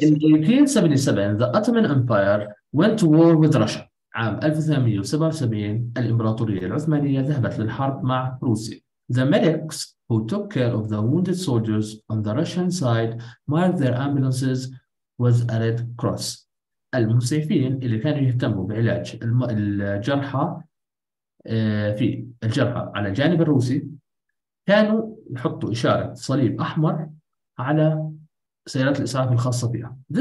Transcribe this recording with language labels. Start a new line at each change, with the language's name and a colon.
English: In 1877 the Ottoman Empire went to war with Russia.
Arabic: عام 1877 الامبراطوريه العثمانيه ذهبت للحرب مع روسيا.
English: The medics who took care of the wounded soldiers on the Russian side marked their ambulances with a red cross.
Arabic: المسعفين اللي كانوا يهتموا بعلاج الجرحى في الجرحى على الجانب الروسي كانوا يحطوا إشارة صليب أحمر على سيارات الإسعاف الخاصة بها.